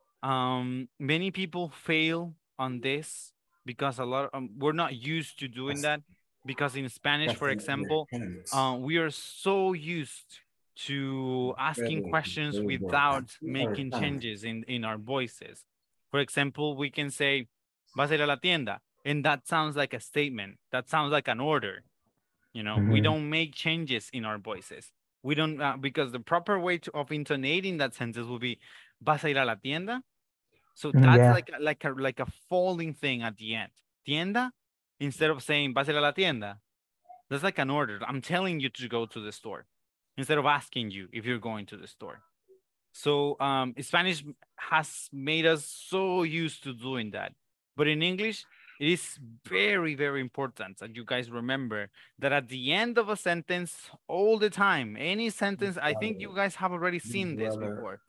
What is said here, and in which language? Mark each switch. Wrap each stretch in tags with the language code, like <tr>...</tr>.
<en>Many people fail on this because a lot of, we're not used to doing that. Because in Spanish, for example, we are so used to asking questions without making changes in our voices. For example, we can say,</en> <es>¿Vas a ir a la tienda?</es> <en>And that sounds like a statement. That sounds like an order. You know, we don't make changes in our voices. We don't, because the proper way of intonating that sentence will be,</en> <es>¿Vas a ir a la tienda?</es> <en>So that's like a falling thing at the end.</en> <es>¿Tienda?</es> <en>Instead of saying,</en> <es>¿Vas a ir a la tienda?</es> <en>That's like an order. I'm telling you to go to the store. Instead of asking you if you're going to the store. So Spanish has made us so used to doing that. But in English, it is very, very important that you guys remember that at the end of a sentence, all the time, any sentence, I think you guys have already seen this before.</en>